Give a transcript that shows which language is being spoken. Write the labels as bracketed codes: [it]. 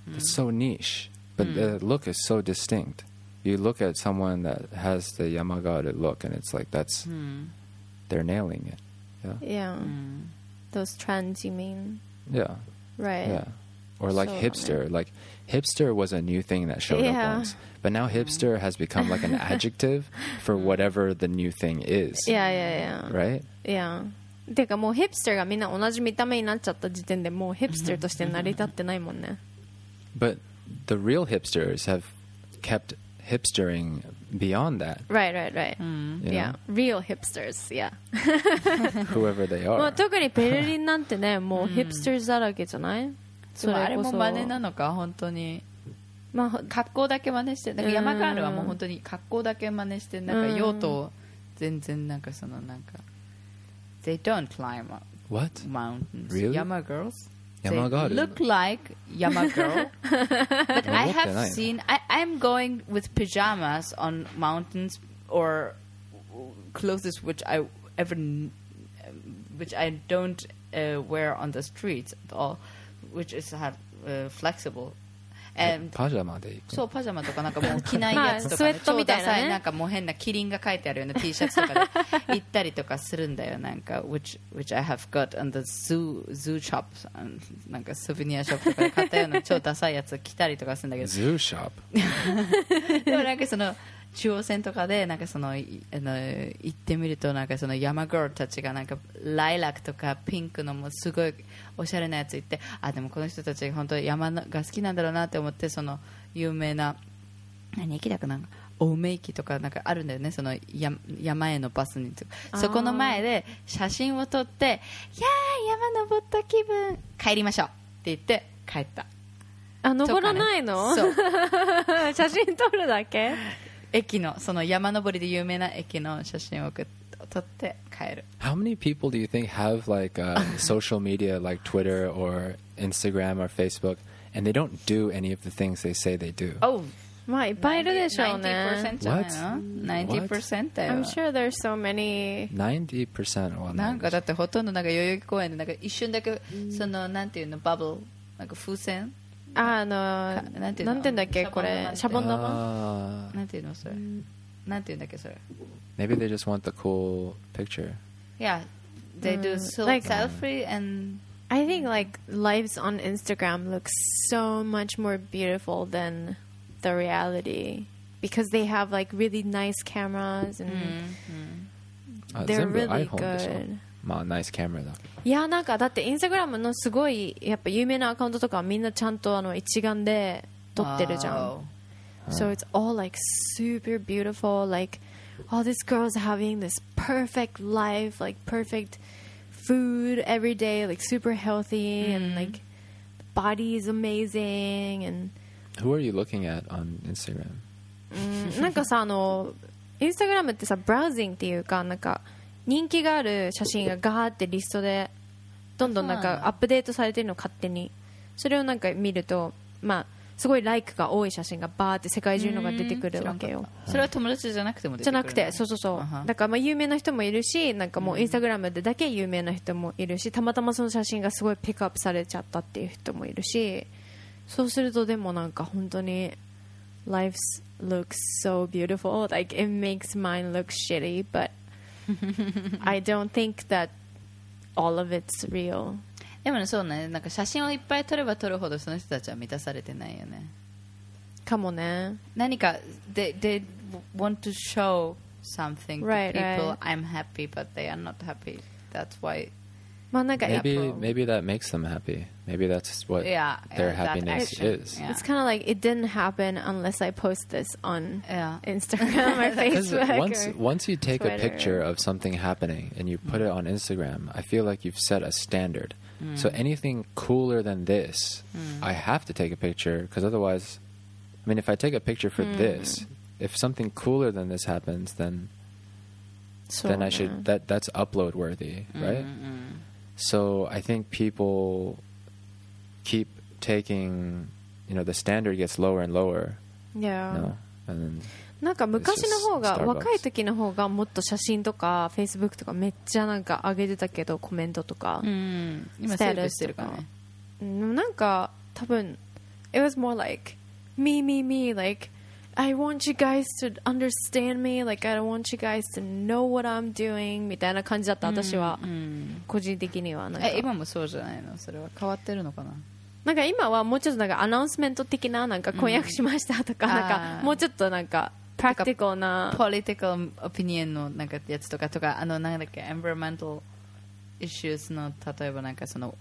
[en] It's so niche, but the look is so distinct. You look at someone that has the Yamagaru look, and it's like that's they're nailing it. Yeah. Those trends, you mean? Yeah. Right. Yeah. Or like so hipster. Like hipster was a new thing that showed up once. But now hipster has become like an adjective for whatever the new thing is. Yeah. Right? Yeah. [ja] てかもうヒプスターがみんな同じ見た目になっちゃった時点でもうヒプスターとして成り立ってないもんね。 [en] But the real hipsters have kept hipstering beyond that. Right, right, right. Mm. Yeah. Real hipsters, yeah. Whoever they are. [ja] まあ、特にベルリンなんてね、もうヒプスターだらけじゃない、うん、それこそ。でもあれも真似なのか、本当に。まあ、格好だけ真似してる。だから山ガールはもう本当に格好だけ真似してる。なんか用途を全然なんかそのなんか。 [en] They don't climb up. What? Mountains. Really? Yama girls. Yama girls. They look like Yama girl. But I have seen... I'm going with pajamas on mountains or clothes which I ever... which I don't wear on the streets at all, which is flexible. [ja] パジャマで行く。そう、パジャマとかなんかもう着ないやつとか、ね、超ダサい、なんかもう変なキリンが書いてあるような T シャツとかで行ったりとかするんだよ、なんか [en] which I have got on the zoo shop、 [ja] なんかソフニアショップとかで買ったような超ダサいやつ着たりとかするんだけど、 [en] zoo shop [ja] でもなんかその中央線とかでなんかそのあの行ってみると、なんかその山ガールたちがなんかライラックとかピンクのもすごいおしゃれなやつ行って、あでもこの人たち本当に山が好きなんだろうなって思って、その有名な何駅だかな、お梅駅とかなんかあるんだよね、その山へのバスに、そこの前で写真を撮って、いやー山登った気分、帰りましょうって言って帰った。あ登らないの？そう写真撮るだけ。駅のその山登りで有名な駅の写真を撮って帰る。 [en] How many people do you think have like social media like Twitter or Instagram or Facebook and they don't do any of the things they say they do? Oh, [ja] まあいっぱいいるでしょうね。 90% じゃないの？90% だよ。 [en] I'm sure there's so many. [ja] 90% は、なんかだってほとんどなんか代々木公園でなんか一瞬だけそのなんていうのバブル、なんか風船。あのなんていうの、なんていうんだっけこれ、シャボン玉、なんていうのそれ、なんていうんだっけそれ、 [en] Maybe they just want the cool picture. Yeah, they do so like selfie and I think like lives on Instagram look so much more beautiful than the reality because they have like really nice cameras and they're really good. [ja] まあ、ナイスカメラだ。いやなんかだってインスタグラムのすごいやっぱ有名なアカウントとかはみんなちゃんとあの一眼で撮ってるじゃん。 [en] So it's all like super beautiful, like all these girls having this perfect life, like perfect food every day, like super healthy and like body is amazing and. Who are you looking at on Instagram? [ja] なんかさあのインスタグラムってさブラウジングっていうかなんか。人気がある写真がガーってリストでどんどんなんかアップデートされてるの勝手に、それをなんか見ると、まあ、すごいライクが多い写真がバーって世界中のが出てくるわけよ。それは友達じゃなくても出てくる、ね、じゃなくて、そうそうそう、だからまあ有名な人もいるし、なんかもうインスタグラムでだけ有名な人もいるし、たまたまその写真がすごいピックアップされちゃったっていう人もいるし、そうするとでもなんか本当に [en] Life looks so beautiful, like it makes mine look shitty, butI don't think that all of it's real. [ja] でもそうね、なんか写真をいっぱい撮れば撮るほどその人たちは満たされてないよね。かもね。 [en] 何か they want to show something right, to people. Right. I'm happy, but they are not happy. That's why. [ja] まあなんか [en] maybe that makes them happy. Maybe that's what their happiness is. Yeah. It's kind of like it didn't happen unless I post this on Instagram or Facebook. Because once you take a picture of something happening and you put it on Instagram, I feel like you've set a standard. So anything cooler than this, I have to take a picture because otherwise, I mean, if I take a picture for this, if something cooler than this happens, then I should that's upload worthy, right? So I think people keep taking, you know, the standard gets lower and lower. Yeah. You know? [ja] なんか昔の方が若い時の方がもっと写真とか Facebook とかめっちゃなんか上げてたけどコメントとか。今セーブしてるか [en] ね。 [ja] なんか多分 [en] it was more like me, like I want you guys to understand me. Like, I don't want you guys to know what I'm doing. [ja] みたいな感じだった、私は。個人的にはなんか。え、今もそうじゃないの？それは変わってるのかな？なんか今はもうちょっとなんかアナウンスメント的な、なんか婚約しましたとか、なんかもうちょっとなんか、practical な。 political opinion のなんかやつとか、とか、あの、なんだっけ、environmental issues の、例えばなんかその、